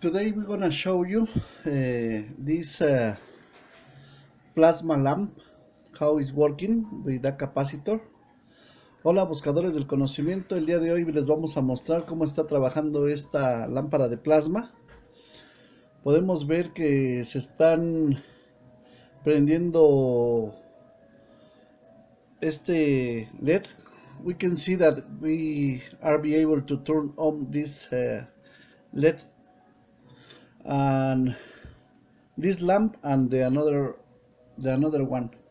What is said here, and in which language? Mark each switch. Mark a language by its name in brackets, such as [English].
[English] Today we're gonna show you this plasma lamp, how it's working with that capacitor. [Spanish] Hola, buscadores del conocimiento. El día de hoy les vamos a mostrar cómo está trabajando esta lámpara de plasma. Podemos ver que se están prendiendo este LED. [English] We can see that we are be able to turn on this LED and this lamp and the another one.